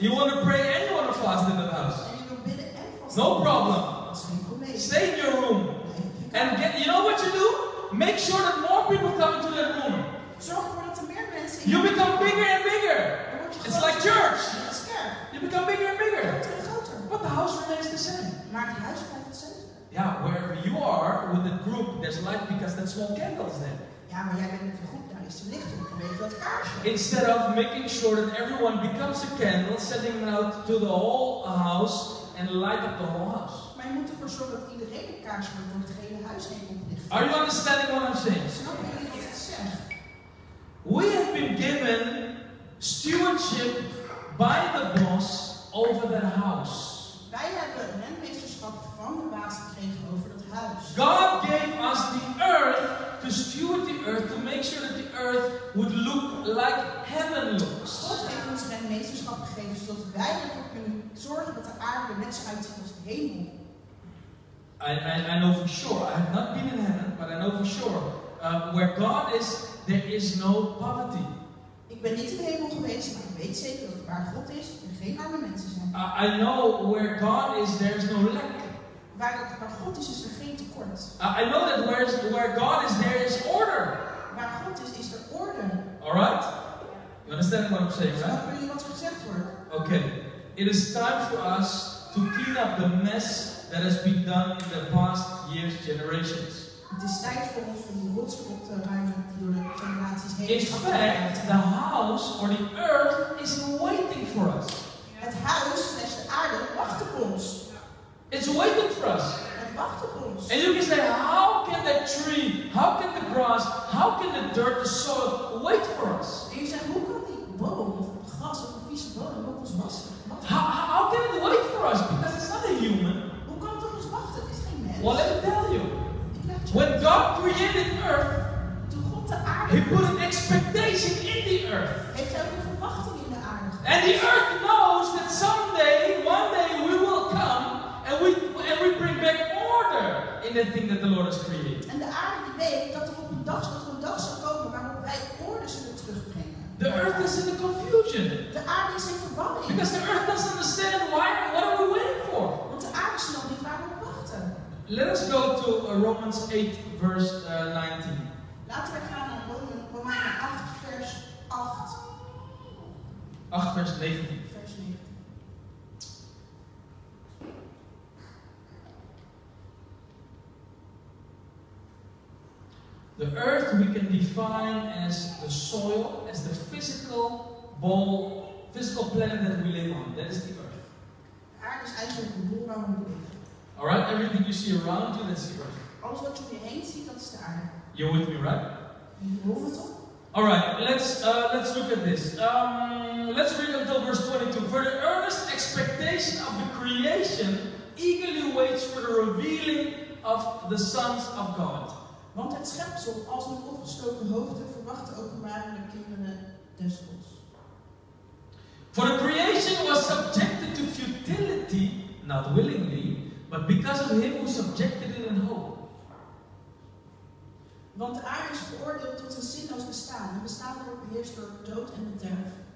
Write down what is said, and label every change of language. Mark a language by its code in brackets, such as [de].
[en] You want to pray and you want to fast in the house. [nl] En je wilt bidden en vasten. [en] No problem. [nl] Mee. [en] Stay in your room. And get, you know what you do? Make sure that more people come into that room. [nl] Zorg ervoor dat er meer mensen [en] in. You become bigger and bigger. It's like church. You become bigger and bigger. But the house remains the same. [nl] Maar het huis blijft hetzelfde. [en] Yeah, wherever you are with the group, there's light because that small candle is there. [nl] Ja, maar jij bent met de groep, daar is de licht in, vanwege dat kaarsje. [en] Instead of making sure that everyone becomes a candle, setting it out to the whole house and light up the whole house. [nl] Maar je moet ervoor zorgen dat iedereen een kaarsje wordt door het hele huis heen oplicht. [en] Are you understanding what I'm saying? [nl] Snap je wat ik zeg? [en] We have been given stewardship by the boss over that house. [nl] Wij hebben rentmeesterschap van de baas gekregen over dat huis. [en] God gave us the earth to steward the earth, to make sure that the earth would look like heaven looks. [nl] God heeft ons rentmeesterschap gegeven zodat wij ervoor kunnen zorgen dat de aarde net zo uitziet als de hemel. [en] I know for sure, I have not been in heaven, but I know for sure, where God is, there is no poverty. [nl] Ik ben niet in de hemel geweest, maar ik weet zeker dat waar God is, er geen arme mensen zijn. [en] I know where God is, there is no lack. [nl] Waar God is er geen tekort. [en] I know that where God is, there is order. [nl] Waar God is er orde. [en] Alright? You understand what I'm saying, right? [nl] Ik weet niet wat er gezegd wordt. [en] Okay. It is time for us to clean up the mess that has been done in the past years, generations. [nl] Het is tijd voor ons om de rotsblok te ruimen die door de generaties heen [en] is. In fact, the house or the earth is waiting for us. [nl] Het huis, slash de aarde, wacht op ons. [en] It's waiting for us. [nl] Het wacht op ons. [en] And you can say, how can that tree, how can the grass, how can the dirt, the soil wait for us? [nl] En je zegt, hoe kan die boom of het gras of een vieze bodem op ons wachten? [en] How can it wait for us? Because it's not a human. [nl] Hoe kan het op ons wachten? Het is geen mens. [en] Well, let me tell you. When God created earth, [nl] toen God de aarde, [en] He put an expectation in the earth. [nl] Heeft hij een verwachting in de aarde? [en] And the earth knows that someday, one day, we will come and we bring back order in the thing that the Lord has created. [nl] En de aarde weet dat er op een dag zal komen waarop wij orde zullen terugbrengen. [en] The earth is in the confusion. [nl] De aarde is in verwarring. [en] Because the earth doesn't understand why. What are we waiting for? [nl] Want de aarde snapt niet waar we op wachten. [en] Let us go to Romans 8, verse 19. [nl] Laten we gaan naar Romeinen 8, vers 8. 8, vers 19. [en] The earth we can define as the soil, as the physical ball, physical planet that we live on. That is the earth. [nl] Aarde is eigenlijk de bol waar we leven. [en] All right, everything you see around you, that's the earth. [nl] Alles wat je om je heen ziet, dat is de aarde. [en] You're with me, right? [nl] Hoeft het op? [en] All right, let's look at this. Let's read until verse 22. For the earnest expectation of the creation eagerly waits for the revealing of the sons of God. [nl] Want het schepsel, als een opgestoken hoofden, verwacht de openbaring de kinderen des Gods. [en] For the creation was subjected to futility, not willingly, but because of him who subjected it in hope. [nl] Want de aarde is veroordeeld tot een zinloos bestaan. Het bestaan wordt beheerst door dood en bederf.